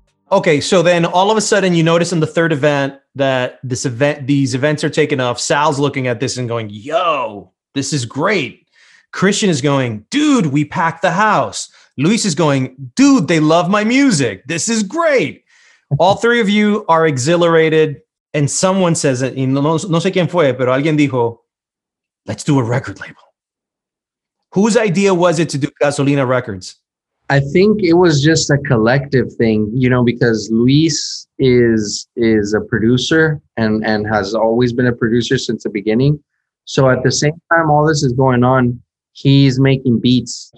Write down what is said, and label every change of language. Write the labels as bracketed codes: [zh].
[en] Okay, so then all of a sudden you notice in the third event that these events are taking off. Sal's looking at this and going, yo, this is great. Christian is going, dude, we packed the house. Luis is going, dude, they love my music. This is great. All three of you are exhilarated. And someone says, [es] no sé quién fue, pero alguien dijo, [en] let's do a record label. Whose idea was it to do Gasolina Records? I think it was just a collective thing, you know, because Luis is a producer and has always been a producer since the beginning. So at the same time, all this is going on, he's making beats.